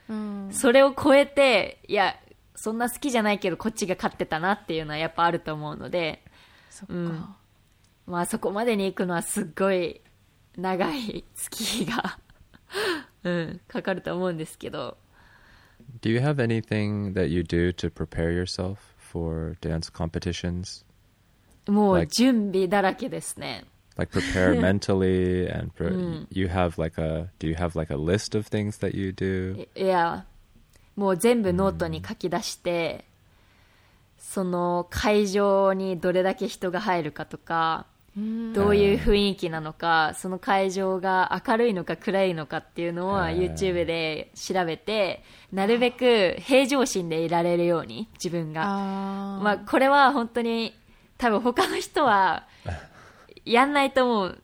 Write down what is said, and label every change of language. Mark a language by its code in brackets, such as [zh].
[ja] うん、それを超えて、いやそんな好きじゃないけどこっちが勝ってたなっていうのはやっぱあると思うので、そっか、うん、まあそこまでに行くのはすっごい長い月日が、かかると思うんですけど。 [en] Do you have anything that you do to prepare yourself for dance competitions? [ja] もう準備だらけですね。 [en] Like prepare mentally and pre- you have like a, do you have like a list of things that you do? Yeah, [ja] もう全部ノートに書き出して、その会場にどれだけ人が入るかとか、どういう雰囲気なのか、その会場が明るいのか暗いのかっていうのは YouTube で調べて、なるべく平常心でいられるように自分が、まあこれは本当に多分他の人は。やんないと思う。